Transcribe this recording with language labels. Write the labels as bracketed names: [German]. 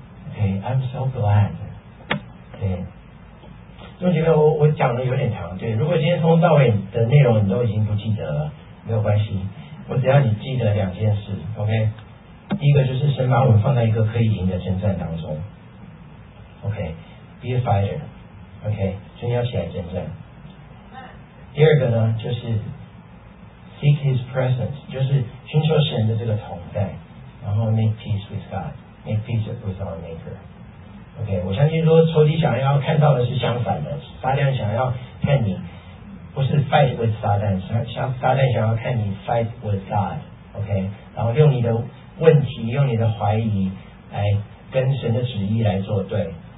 [English] OK， I'm so glad。 [Chinese] 对，就觉得我讲的有点长。对，如果今天从头到尾的内容你都已经不记得了，没有关系，我只要你记得两件事。 OK， 第一个就是神把我们放在一个可以赢的征战当中。 [English] OK，Be a fighter， OK， [Chinese] 所以要起来征战。第二个呢，就是 [English] seek His presence， [Chinese] 就是寻求神的这个同在，然后 [English] make peace with God， make peace with our Maker。 [Chinese] OK， 我相信说仇敌想要看到的是相反的，撒旦想要看你不是 [English] fight with [Chinese] 撒旦，撒旦想要看你 [English] fight with God。 [Chinese] OK， 然后用你的问题，用你的怀疑来跟神的旨意来作对。